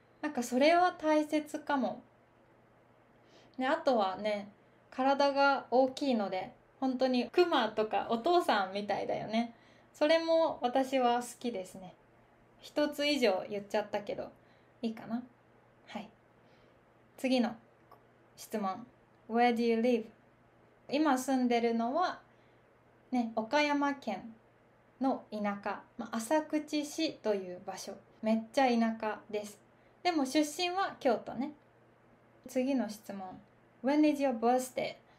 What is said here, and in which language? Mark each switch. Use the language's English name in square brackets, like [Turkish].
[Japanese] なんかそれは大切かも。であとはね、体が大きいので本当にクマとかお父さんみたいだよね。それも私は好きですね。一つ以上言っちゃったけどいいかな。はい、次の質問、 [English] Where do you live? [Japanese] 今住んでるのはね、岡山県の田舎、まあ、浅口市という場所、めっちゃ田舎です。でも出身は京都ね。次の質問、 [English] When is your birthday?